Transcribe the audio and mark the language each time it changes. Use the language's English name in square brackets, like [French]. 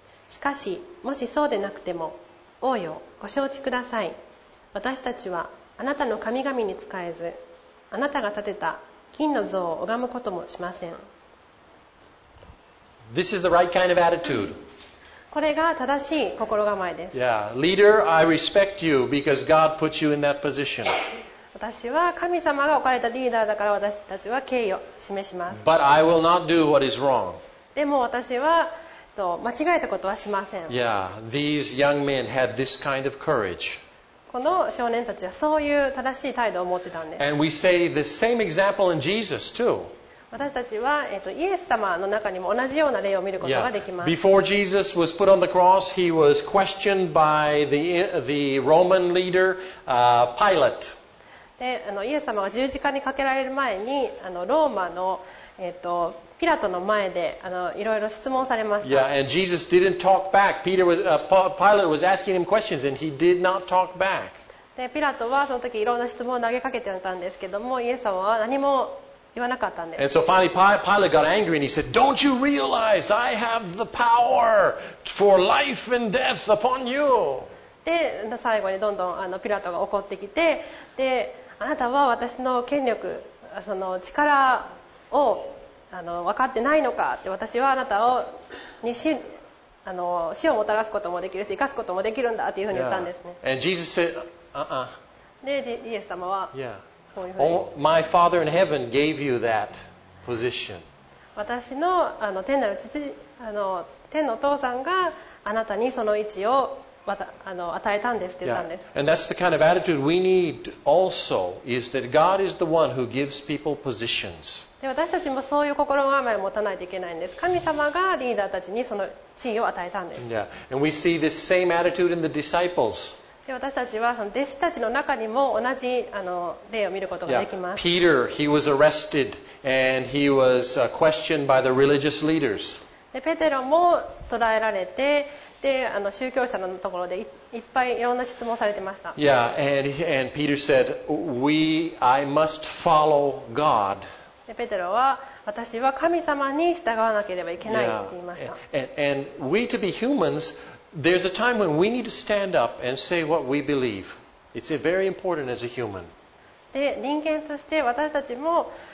[Japanese] しかしもしそうでなくても、王よ、ご承知ください。私たちはあなたの神々に仕えず、あなたが建てた金の像を拝むこともしません。 [English] This is the right kind of attitude. [Japanese] これが正しい心構えです。 [English] Yeah, leader, I respect you because God put you in that position. [Japanese] 私は神様が置かれたリーダーだから私たちは敬意を示します。 [English] But I will not do what is wrong. [Japanese] でも私は間違えたことはしません。 [English] Yeah, these young men had this kind of courage. [Japanese] この少年たちはそういう正しい態度を持ってたんです。 [English] And we say the same example in Jesus too. [Japanese] 私たちは、イエス様の中にも同じような例を見ることができます。 [English] Before Jesus was put on the cross, he was questioned by the Roman leader, Pilate. [Japanese] で、イエス様が十字架にかけられる前に、ローマの、ピラトの前で、いろいろ質問されました。 [English] Yeah, and Jesus didn't talk back. Peter was, Pilate was asking him questions and he did not talk back. [Japanese] で、ピラトはその時いろんな質問を投げかけてたんですけども、イエス様は何も言わなかったんです。 [English] And so finally, Pilate got angry and he said, "Don't you realize I have the power for life and death upon you?" [Japanese] で、最後にどんどんピラトが怒ってきて、で、あなたは私の権力、その力を分かってないのかって、私はあなたをに 死をもたらすこともできるし生かすこともできるんだというふうに言ったんですね。 [English] And Jesus said, [Japanese] で、イエス様はこういうふうに、 [English] My Father in heaven gave you that position. [Japanese] 私 の, 天なる父、天のお父さんがあなたにその位置を与えたんですって言ったんです。 [English] And that's the kind of attitude we need also, is that God is the one who gives people positions. [Japanese] で、私たちもそういう心構えを持たないといけないんです。神様がリーダーたちにその地位を与えたんです。 [English] Yeah. And we see this same attitude in the disciples. [Japanese] で、私たちはその弟子たちの中にも同じ例を見ることができます。 [English] Peter, he was arrested and he was questioned by the religious leaders. [Japanese] で、ペテロも捕らえられて、で、宗教者のところで いっぱいいろんな質問されてました。 [English] Yeah. And Peter said, I must follow God. [Japanese] ペテロは、私は神様に従わなければいけないと言いました。 [English] Yeah. And we to be humans, there's a time when we need to stand up and say what we believe. It's very important as a human. [Japanese] で、人間として私たちも、